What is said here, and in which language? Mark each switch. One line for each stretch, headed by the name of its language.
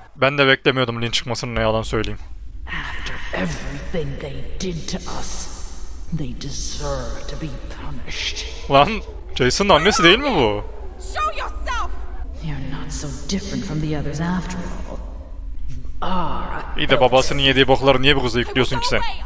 Turkish: Ben de beklemiyordum Lin çıkmasını ne yalan söyleyeyim.
English: After everything they did to us, they deserve to be punished.
Turkish: Lan Jason'ın annesi değil mi bu?
English: Show yourself. You're not so different from the others after all.
Turkish: İyi de babasının yediği bokları niye bu kıza yüklüyorsun ki sen?